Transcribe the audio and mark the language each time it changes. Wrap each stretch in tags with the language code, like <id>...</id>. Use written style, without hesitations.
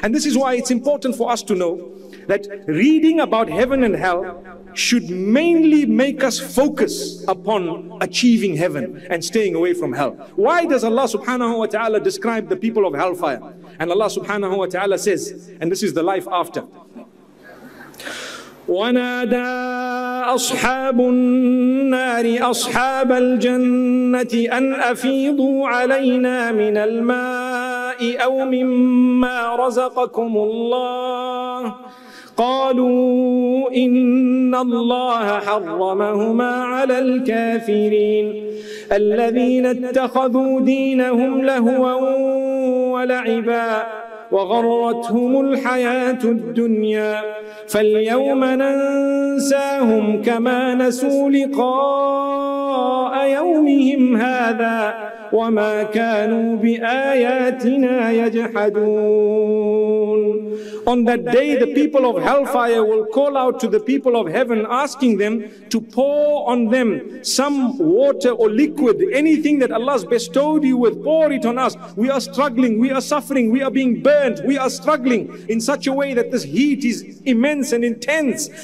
<en>And this is why it's important for us to know that reading about heaven and hell should mainly make us focus upon achieving heaven and staying away from hell. Why does Allah subhanahu wa ta'ala describe the people of hellfire? And Allah subhanahu wa ta'ala says, and this is the life after.</en> <ar>ونادى أصحاب النار أصحاب الجنة أن أفيضوا علينا من الماء أو مما رزقكم الله قالوا إن الله حرمهما على الكافرين الذين اتخذوا دينهم لهوا ولعبا وغرتهم الحياة الدنيا فاليوم ننساهم كما نسوا لقاء يومهم هذا وما كانوا بآياتنا يجحدون.</ar> <en>On that day, the people of hellfire will call out to the people of heaven, asking them to pour on them some water or liquid, anything that Allah's bestowed you with, pour it on us. We are struggling, we are suffering, we are being burnt, we are struggling in such a way that this heat is immense and intense.</en>